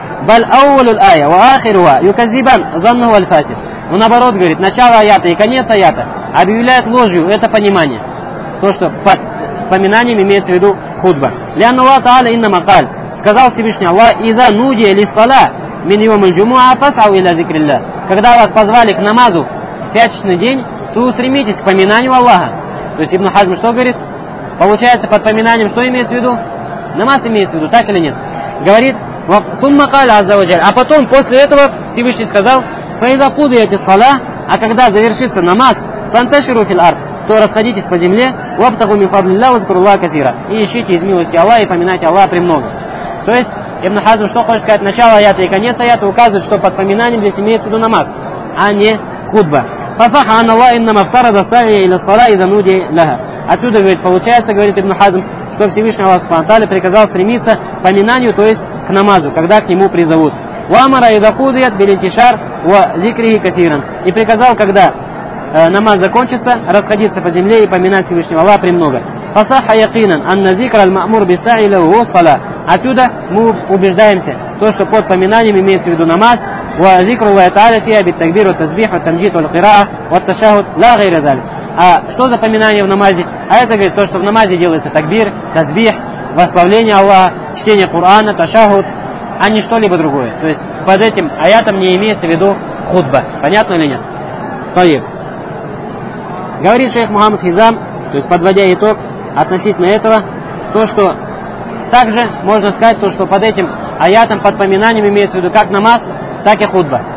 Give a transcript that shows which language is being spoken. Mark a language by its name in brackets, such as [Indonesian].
[Arabic] بل أول الآية وآخرها يكذبان ظنه الفاسد. [Russian] Но наоборот, говорит, начало аята и конец аята объявляют ложью это понимание. То, что под поминанием имеется в виду худба. [Arabic] لأن الله تعالى إنما قال. Сказал Всевышний Аллах, إذا نودي للصلاة من يوم الجمعة فاسعوا إلى ذكر الله. [Russian] Когда вас позвали к намазу в пятничный день, то устремитесь к поминанию Аллаха. То есть Ибн Хазм что говорит? Получается, под поминанием что имеется в виду? Намаз имеется в виду, так или нет? Говорит, [Arabic] ثُمَّ قَالَ عَزَّ وَجَلَّ. [Russian] А потом, после этого, Всевышний сказал, [Arabic] فَإِذَا قُضِيَتِ الصَّلَاةُ. [Russian] А когда завершится намаз, [Arabic] فَانْتَشِرُوا فِي الْأَرْضِ. [Russian] То расходитесь по земле, [Arabic] وَابْتَغُوا مِنْ فَضْلِ اللَّهِ وَاذْكُرُوا اللَّهَ كَثِيرًا. [Russian] И ищите из милости Аллаха и поминайте Аллаха премного. То есть, Ибн Хазм, что хочет сказать, начало аята и конец аята указывают, что под поминанием здесь имеется в виду намаз, а не худба. [Arabic] فَصَحَ أَنَّ اللَّهَ إِنَّمَا افْتَرَضَ السَّعْيَ إِلَى الصَّلَاةِ إِذَا نُودِيَ لَهَا. [Russian] Отсюда, говорит, получается, говорит Ибн Хазм, что Всевышний Аллах Субхана ва Тааля приказал стремиться к поминанию, то есть к намазу, когда к нему призовут. [Arabic] وَأَمَرَ إِذَا قُضِيَتْ بِالِانْتِشَارِ وَذِكْرِهِ كَثِيرًا. [Russian] И приказал, когда намаз закончится, расходиться по земле и поминать Всевышнего Аллаха премного. [Arabic] فَصَحَ يَقِينًا أَنَّ ذِكْرَ الْمَأْمُورِ بِالسَّعْيِ لَهُ هُوَ الصَّلَاةُ. [Russian] Отсюда мы убеждаемся, то, что под поминанием имеется в виду намаз, [Arabic] وَذِكْرُ اللَّهِ تَعَالَى فِيهَا بِالتَّكْبِيرِ وَالتَّسْبِيحِ وَالتَّمْجِيدِ وَالْقِرَاءَةِ وَالتَّشَهُّدِ لَا غَيْرَ ذَلِكَ. [Russian] А что за поминание в намазе? А это, говорит, то, что в намазе делается такбир, тасбих, восславление Аллаха, чтение Кур'ана, ташахуд, а не что-либо другое. То есть под этим аятом не имеется в виду худба. Понятно или нет? Таиб. Говорит шейх Мухаммад Хизам, то есть подводя итог относительно этого, то, что также можно сказать, то, что под этим аятом, под поминанием имеется в виду как намаз, так и худба.